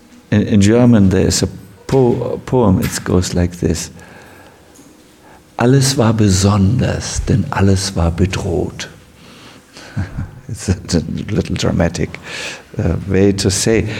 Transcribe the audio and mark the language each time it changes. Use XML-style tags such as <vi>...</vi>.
<en>In German, there's a poem, it goes like this.</en> <de>Alles war besonders, denn alles war bedroht.</de> <en>It's a little dramatic way to say.</en>